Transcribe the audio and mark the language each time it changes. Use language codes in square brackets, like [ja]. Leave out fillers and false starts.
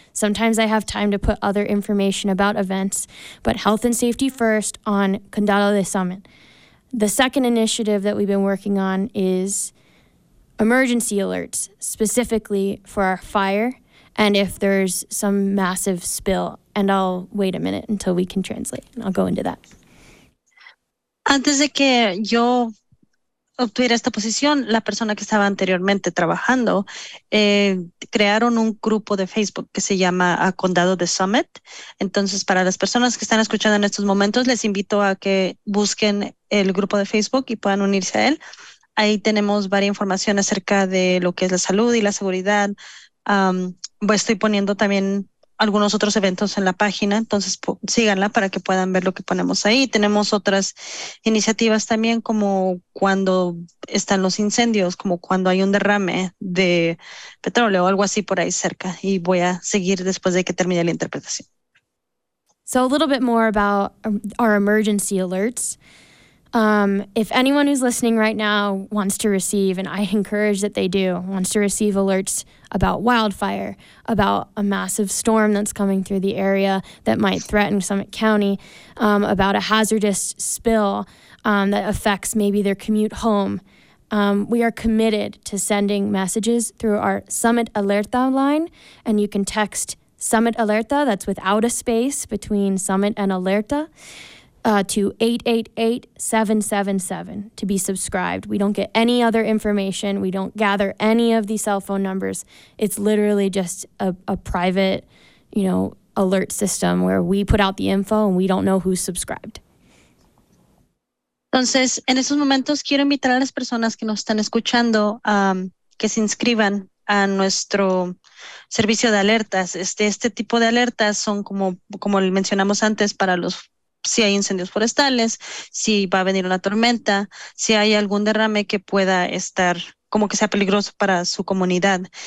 [en] Sometimes I have time to put other information about events, but health and safety first on Condado de Summit. The second initiative that we've been working on is emergency alerts, specifically for our fire and if there's some massive spill, and I'll wait a minute until we can translate, and I'll go into that. [es] Antes de que yo obtuviera esta posición, la persona que estaba anteriormente trabajando, crearon un grupo de Facebook que se llama Condado de Summit. Entonces, para las personas que están escuchando en estos momentos, les invito a que busquen el grupo de Facebook y puedan unirse a él. Ahí tenemos varias información acerca de lo que es la salud y la seguridad. Estoy poniendo también algunos otros eventos en la página, entonces síganla para que puedan ver lo que ponemos ahí. Tenemos otras iniciativas también, como cuando están los incendios, como cuando hay un derrame de petróleo o algo así por ahí cerca. Y voy a seguir después de que termine la interpretación. [en] So a little bit more about our emergency alerts. If anyone who's listening right now wants to receive, and I encourage that they do, wants to receive alerts about wildfire, about a massive storm that's coming through the area that might threaten Summit County, about a hazardous spill that affects maybe their commute home, we are committed to sending messages through our Summit Alerta line, and you can text Summit Alerta, that's without a space between Summit and Alerta, to 888-777 to be subscribed. We don't get any other information. We don't gather any of the cell phone numbers. It's literally just a private, you know, alert system where we put out the info and we don't know who's subscribed. [es] Entonces, en esos momentos quiero invitar a las personas que nos están escuchando que se inscriban a nuestro servicio de alertas. Este tipo de alertas son como mencionamos antes para los si hay incendios forestales, si va a venir una tormenta, si hay algún derrame que pueda estar como que sea peligroso para su comunidad.